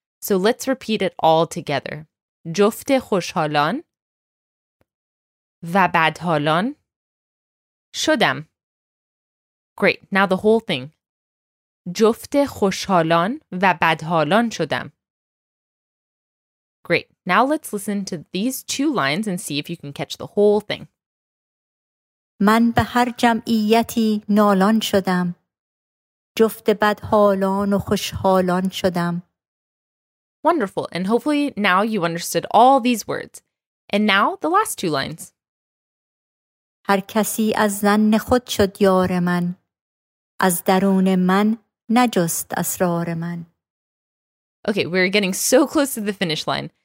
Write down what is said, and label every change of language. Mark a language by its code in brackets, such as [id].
[en] So let's repeat it all together. [fa] Jofte khoshhalan va badhalan shodam. [en] Great, now the whole thing. [fa] Jofte khoshhalan va badhalan shodam. [en] Great, now let's listen to these two lines and see if you can catch the whole thing. [fa] من به هر جمعیتی نالان شدم. جفت بدحالان و خوشحالان شدم. [en] Wonderful. And hopefully now you understood all these words. And now the last two lines. [fa] هر کسی از ظن خود شد یار من. از درون من نجست اسرار من. [en] Okay, we're getting so close to the finish line.